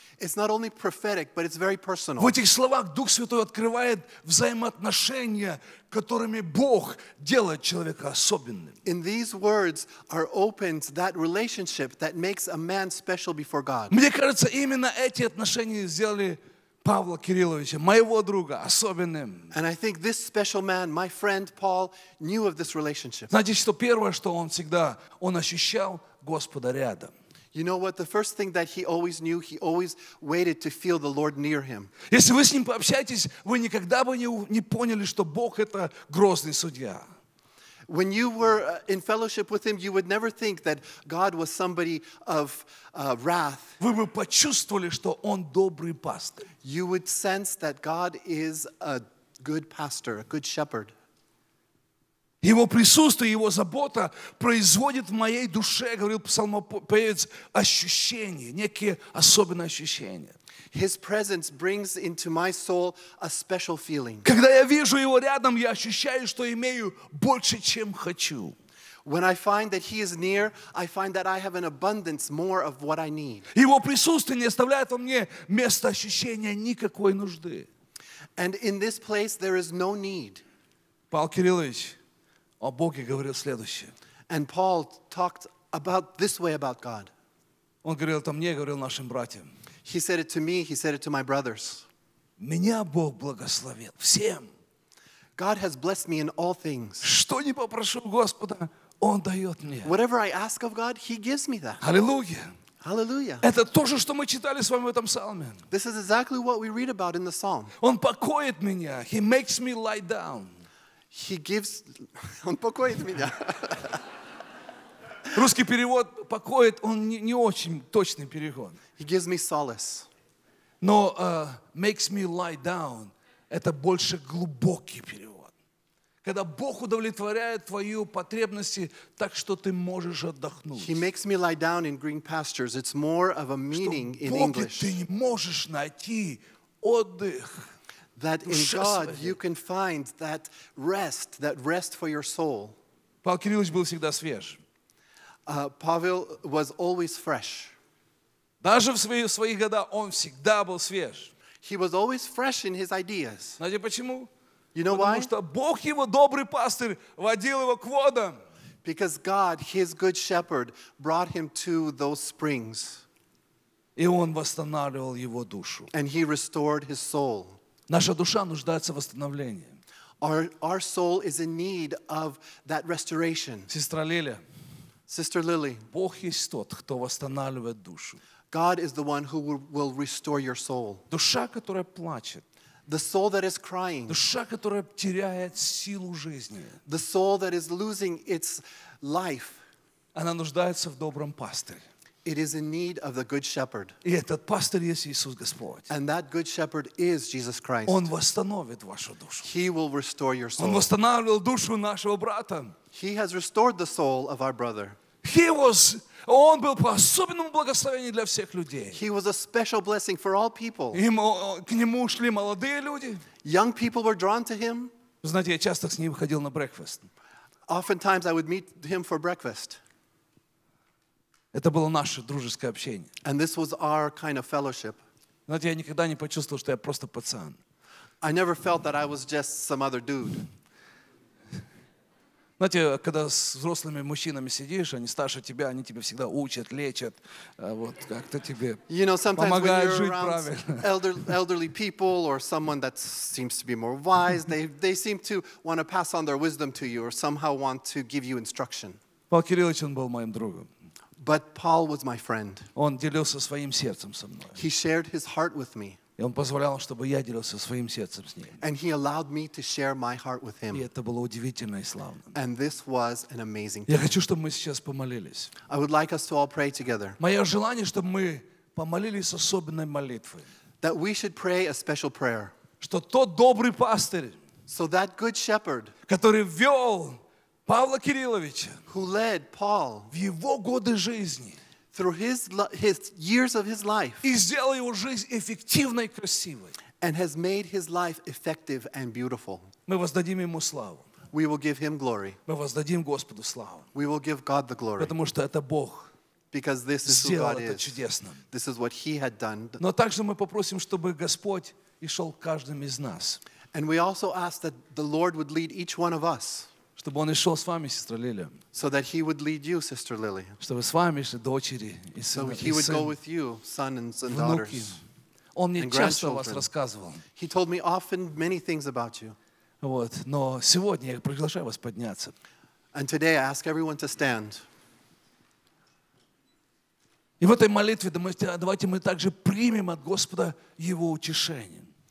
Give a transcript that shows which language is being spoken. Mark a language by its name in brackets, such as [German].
[English] It's not only prophetic, but it's very personal. [Russian] В этих словах Дух Святой открывает взаимоотношения, которыми Бог делает человека особенным. [English] In these words are opened that relationship that makes a man special before God. [Russian] Мне кажется, именно эти отношения сделали Павла Кирилловича, моего друга, особенным. [English] And I think this special man, my friend Paul, knew of this relationship. [Russian] Знаете, что первое, что он всегда, он ощущал Господа рядом. [English] You know what? The first thing that he always knew, he always waited to feel the Lord near him. [Russian] Если вы с ним пообщаетесь, вы никогда бы не поняли, что Бог это грозный судья. [English] When you were in fellowship with him, you would never think that God was somebody of wrath. [Russian] Вы бы почувствовали, что он добрый пастырь. [English] You would sense that God is a good pastor, a good shepherd. [Russian] Его присутствие, его забота производит в моей душе, говорил псалмопевец, ощущения, некие особенные ощущения. [English] His presence brings into my soul a special feeling. [Russian] Когда я вижу его рядом, я ощущаю, что имею больше, чем хочу. [English] When I find that he is near, I find that I have an abundance more of what I need. [Russian] Его присутствие не оставляет во мне места ощущения никакой нужды. [English] And in this place there is no need. [Russian] Павел Кириллович о Боге говорил следующее. [English] And Paul talked about this way about God. [Russian] Он говорил это мне, говорил нашим братьям. [English] He said it to me, he said it to my brothers. [Russian] Меня Бог благословил всем. [English] God has blessed me in all things. [Russian] Что ни попрошу Господа, Он дает мне. [English] Whatever I ask of God, He gives me that. [Russian] Аллилуйя. [English] Hallelujah. [Russian] Это то же, что мы читали с вами в этом псалме. [English] This is exactly what we read about in the psalm. [Russian] Он покоит меня. [English] He makes me lie down. He gives... [Russian] Он покоит меня. Русский перевод «покоит» — он не очень точный перевод. [English] He gives me solace. [Russian] Но [English] «makes me lie down» [Russian] — это больше глубокий перевод. Когда Бог удовлетворяет твои потребности так, что ты можешь отдохнуть. [English] He makes me lie down in green pastures. It's more of a meaning [Russian] что [English] in English. [Russian] Ты не можешь найти отдых. [English] That in God you can find that rest for your soul. [Russian] Павел Кириллович был всегда свеж. [English] Павел was always fresh. [Russian] Даже в свои года он всегда был свеж. [English] He was always fresh in his ideas. [Russian] Знаете почему? [English] You know why? [Russian] Потому что Бог его добрый пастырь водил его к водам. [English] Because God, his good shepherd, brought him to those springs. [Russian] И он восстанавливал его душу. [English] And he restored his soul. [Russian] Наша душа нуждается в восстановлении. [English] Our soul is in need of that restoration. [Russian] Сестра Лиля. [English] Sister Lily. [Russian] Бог есть тот, кто восстанавливает душу. [English] God is the one who will restore your soul. [Russian] Душа, которая плачет. [English] The soul that is crying. [Russian] Душа, которая теряет силу жизни. [English] The soul that is losing its life. [Russian] Она нуждается в добром пастыре. [English] It is in need of the good shepherd. [Russian] И этот пастырь есть Иисус Господь. [English] And that good shepherd is Jesus Christ. [Russian] Он восстановит вашу душу. [English] He will restore your soul. [Russian] Он восстанавливал душу нашего брата. [English] He has restored the soul of our brother. He was, [Russian] он был по особенному благословению для всех людей. [English] He was a special blessing for all people. [Russian] К нему шли молодые люди. [English] Young people were drawn to him. [Russian] Знаете, я часто с ним ходил на breakfast. [English] Oftentimes I would meet him for breakfast. [Russian] Это было наше дружеское общение. [English] And this was our kind of fellowship. [Russian] Знаете, я никогда не почувствовал, что я просто пацан. [English] I never felt that I was just some other dude. [Russian] Знаете, когда с взрослыми мужчинами сидишь, они старше тебя, они тебя всегда учат, лечат, вот как-то тебе помогают жить правильно. [English] Elderly people or someone that seems to be more wise, they seem to want to pass on their wisdom to you or somehow want to give you instruction. [Russian] Павел Кириллович был моим другом. [English] But Paul was my friend. [Russian] Он делился своим сердцем со мной. [English] He shared his heart with me. [Russian] И он позволял, чтобы я делился своим сердцем с ним. [English] And he allowed me to share my heart with him. [Russian] И это было удивительно и славно. [English] And this was an amazing thing. [Russian] Я хочу, чтобы мы сейчас помолились. [English] I would like us to all pray together. [Russian] Мое желание, чтобы мы помолились особенной молитвой. [English] That we should pray a special prayer. [Russian] Что тот добрый пастырь, [English] so that good shepherd, [Russian] который вел Павла Кирилловича, [English] who led Paul, [Russian] в его годы жизни, [English] through his years of his life, [Russian] и сделал его жизнь эффективной и красивой, [English] and has made his life effective and beautiful. [Russian] Мы воздадим ему славу. [English] We will give him glory. [Russian] Мы воздадим Господу славу. [English] We will give God the glory. [Russian] Потому что это Бог. [English] Because this is [Russian] сделал [English] who God is. [Russian] Чудесно. [English] This is what he had done. [Russian] Но также мы попросим, чтобы Господь и шел каждым из нас. [English] And we also ask that the Lord would lead each one of us. [Russian] Чтобы он и шел с вами, сестра Лилия. [English] So that he would lead you, Sister Lily. [Russian] Чтобы с вами шли дочери и сыны. [English] So he would go with you, son and daughters. [Russian] Внуки. Он мне часто о вас рассказывал. [English] He told me often many things about you. [Russian] Вот. Но сегодня я приглашаю вас подняться. [English] And today I ask everyone to stand. [Russian] И в этой молитве давайте мы также примем от Господа Его утешение.